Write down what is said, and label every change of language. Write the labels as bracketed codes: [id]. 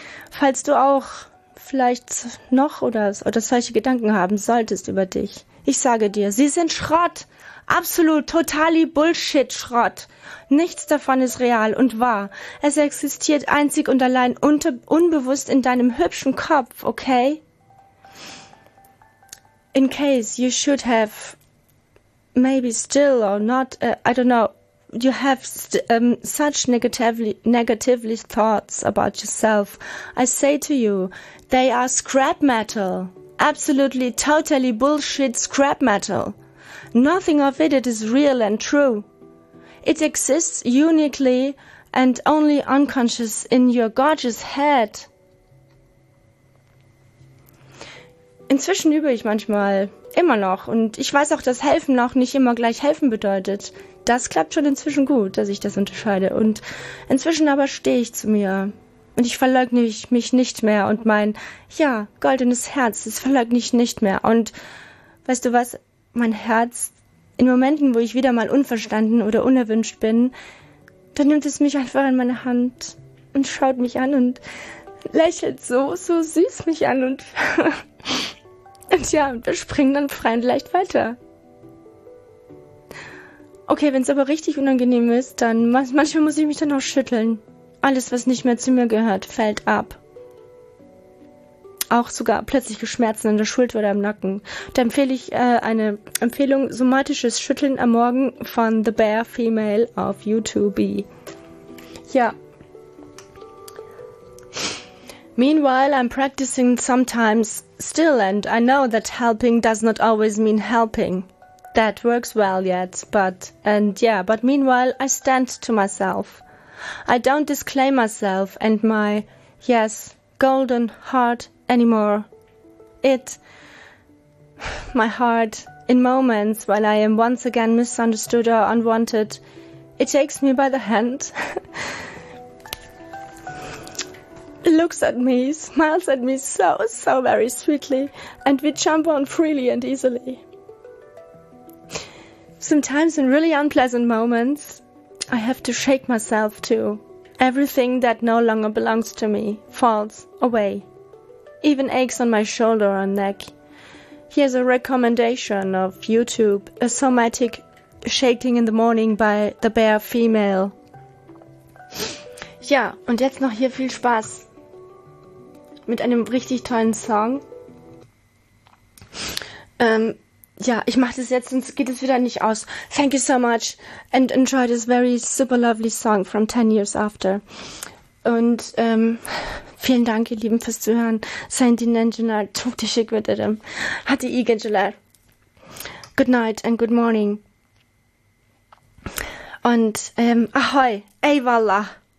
[de] Falls du auch vielleicht noch oder solche Gedanken haben solltest über dich, ich sage dir, sie sind Schrott. Absolut, totali Bullshit-Schrott. Nichts davon ist real und wahr. Es existiert einzig und allein unbewusst in deinem hübschen Kopf, okay? [en] In case you should have, maybe still or not, I don't know, you have such negatively thoughts about yourself, I say to you, they are scrap metal. Absolutely, totally bullshit scrap metal. Nothing of it is real and true. It exists uniquely and only unconscious in your gorgeous head. [de] Inzwischen übe ich manchmal, immer noch. Und ich weiß auch, dass helfen auch nicht immer gleich helfen bedeutet. Das klappt schon inzwischen gut, dass ich das unterscheide. Und inzwischen aber stehe ich zu mir. Und ich verleugne mich nicht mehr. Und mein, ja, goldenes Herz, das verleugne ich nicht mehr. Und weißt du was? Mein Herz, in Momenten, wo ich wieder mal unverstanden oder unerwünscht bin, dann nimmt es mich einfach in meine Hand und schaut mich an und lächelt so, so süß mich an und, und ja, wir springen dann frei und leicht weiter. Okay, wenn es aber richtig unangenehm ist, dann manchmal muss ich mich dann auch schütteln. Alles, was nicht mehr zu mir gehört, fällt ab. Auch sogar plötzliche Schmerzen in der Schulter oder im Nacken. Da empfehle ich eine Empfehlung, somatisches Schütteln am Morgen von The Bear Female auf YouTube. Ja. [en] Meanwhile, I'm practicing sometimes still and I know that helping does not always mean helping. That works well yet, but meanwhile I stand to myself. I don't disclaim myself and my, yes, golden heart anymore. It, my heart, in moments when I am once again misunderstood or unwanted, it takes me by the hand, looks at me, smiles at me so, so very sweetly, and we jump on freely and easily. Sometimes in really unpleasant moments, I have to shake myself too. Everything that no longer belongs to me falls away. Even aches on my shoulder or neck. Here's a recommendation of YouTube, a somatic shaking in the morning by the Bear Female. [de] Ja, und jetzt noch hier viel Spaß mit einem richtig tollen Song. Ja, ich mach das jetzt, sonst geht es wieder nicht aus. [en] Thank you so much and enjoy this very super lovely song from 10 years after. [de] Und vielen Dank, ihr Lieben, fürs Zuhören. [en] Send in Angela, talk to Chick with them. [de] Hatte ich, [en] Angela. Good night and good morning. [de] Und ahoi, ey Walla.